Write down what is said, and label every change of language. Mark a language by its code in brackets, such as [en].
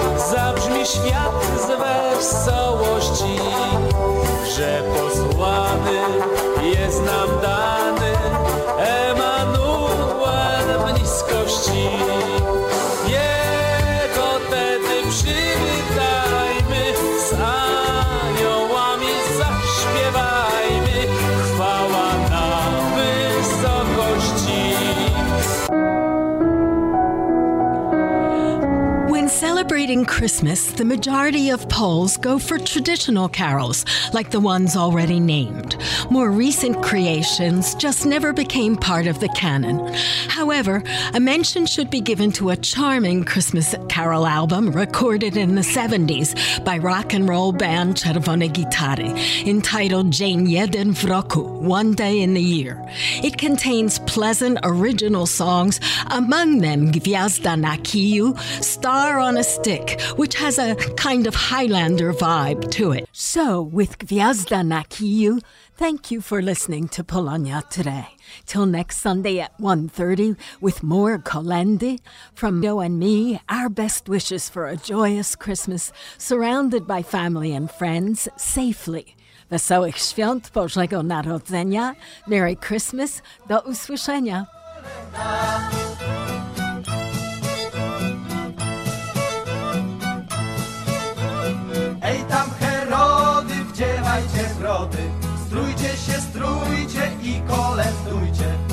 [pl] Zabrzmi świat z wesołości, że posłany jest nam dany Emanuel w niskości. Jego tedy przywitajmy, z aniołami zaśpiewajmy, chwała na wysokości. [en] Celebrating Christmas, the majority of Poles go for traditional carols, like the ones already named. More recent creations just never became part of the canon. However, a mention should be given to a charming Christmas carol album recorded in the 70s by rock and roll band Czerwone Gitary, entitled Dzień Jeden w Roku, One Day in the Year. It contains pleasant original songs, among them Gwiazda na Kiju, Star on a Stick, which has a kind of Highlander vibe to it. So, with Gwiazda na Kiju, thank you for listening to Polonia Today. Till next Sunday at 1:30 with more kolędy, from Joe and me, our best wishes for a joyous Christmas, surrounded by family and friends, safely. [pl] Wesołych Świąt Bożego Narodzenia, [en] Merry Christmas, [pl] do usłyszenia. Ej tam Herody, wdziewajcie zbrody, strójcie się, strójcie i kolędujcie.